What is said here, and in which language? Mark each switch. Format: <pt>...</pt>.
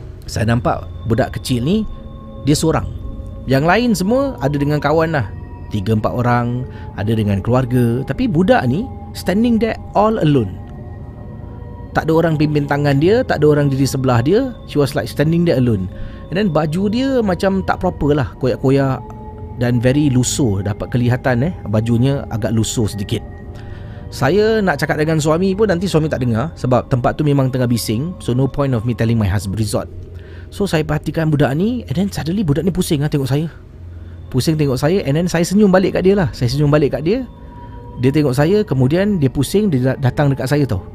<ms>Saya nampak budak kecil ni, dia seorang. Yang lain semua ada dengan kawan lah, 3-4 orang, ada dengan keluarga. Tapi budak ni</ms> <en>standing there all alone.</en> <ms>Tak ada orang pimpin tangan dia, tak ada orang di sebelah dia.</ms> <en>She was like standing there alone. And then</en> <ms>baju dia macam tak proper lah, koyak-koyak dan</ms> <en>very</en> <ms>lusuh. Dapat kelihatan bajunya agak lusuh sedikit. Saya nak cakap dengan suami pun nanti suami tak dengar, sebab tempat tu memang tengah bising.</ms> <en>So no point of me telling my husband resort. So</en> <ms>saya perhatikan budak ni,</ms> <en>and then suddenly</en> <ms>budak ni pusing lah tengok saya. Pusing tengok saya,</ms> <en>and then</en> <ms>saya senyum balik kat dia lah. Saya senyum balik kat dia, dia tengok saya, kemudian dia pusing, dia datang dekat saya tau.</ms>